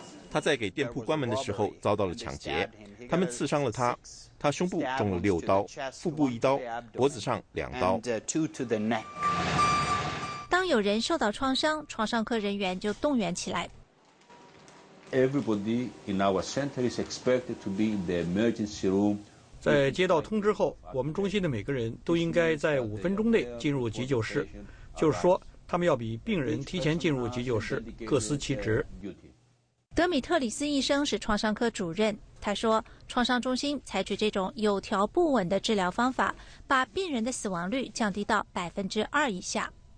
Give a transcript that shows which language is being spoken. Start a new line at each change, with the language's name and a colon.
Chinese: 他在给店铺关门的时候遭到了抢劫，他们刺伤了他，他胸部中了6刀，腹部1刀，脖子上2刀。当有人受到创伤，创伤科人员就动员起来。
English: Everybody in our center is expected to be in the emergency room.
Chinese: 在接到通知后，我们中心的每个人都应该在5分钟内进入急救室，就是说，他们要比病人提前进入急救室，各司其职。德米特里斯医生是创伤科主任，他说，创伤中心采取这种有条不紊的治疗方法，把病人的死亡率降低到2%以下。